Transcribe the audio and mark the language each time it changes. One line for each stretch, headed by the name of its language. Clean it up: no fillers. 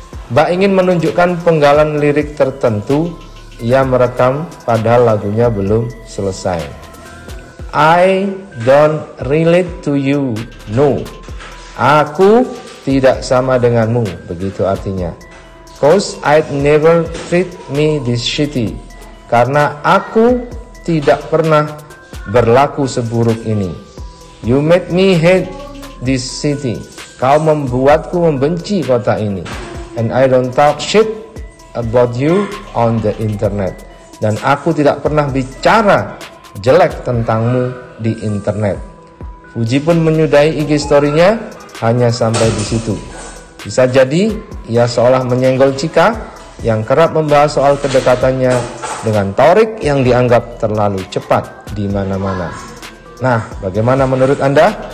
Indonesian: Mbak ingin menunjukkan penggalan lirik tertentu ia merekam padahal lagunya belum selesai.
English: I don't relate to you, no.
Indonesian: Aku tidak sama denganmu, begitu artinya.
English: 'Cause I'd never treat me this shitty.
Indonesian: Karena aku tidak pernah berlaku seburuk ini.
English: You made me hate this city.
Indonesian: Kau membuatku membenci kota ini.
English: And I don't talk shit about you on the internet.
Indonesian: Dan aku tidak pernah bicara jelek tentangmu di internet. Fuji pun menyudahi IG story-nya hanya sampai di situ. Bisa jadi ia seolah menyenggol Chika yang kerap membahas soal kedekatannya dengan Torik yang dianggap terlalu cepat di mana-mana. Nah, bagaimana menurut Anda?